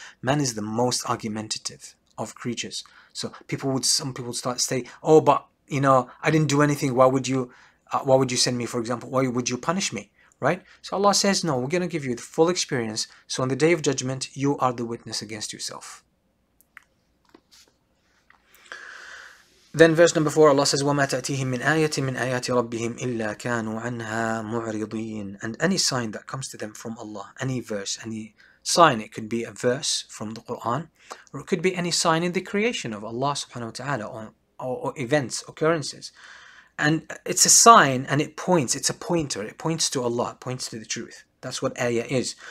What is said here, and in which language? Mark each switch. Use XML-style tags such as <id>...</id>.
<en>Man is the most argumentative of creatures. So some people start to say, oh, but, you know, I didn't do anything. Why would you send me, for example? Why would you punish me, right? So Allah says, no, we're going to give you the full experience. So on the day of judgment, you are the witness against yourself.</en> <ar>Then verse number 4, Allah says, وَمَا تَأْتِيهِمْ مِنْ آيَةٍ مِنْ آيَاتِ رَبِّهِمْ إِلَّا كَانُوا عَنْهَا مُعْرِضِينَ.</ar> <en>And any sign that comes to them from Allah, any verse, any sign, it could be a verse from the Quran, or it could be any sign in the creation of Allah subhanahu wa ta'ala, or events, occurrences. And it's a sign and it points, it's a pointer, it points to Allah, it points to the truth. That's what ayah is.</en>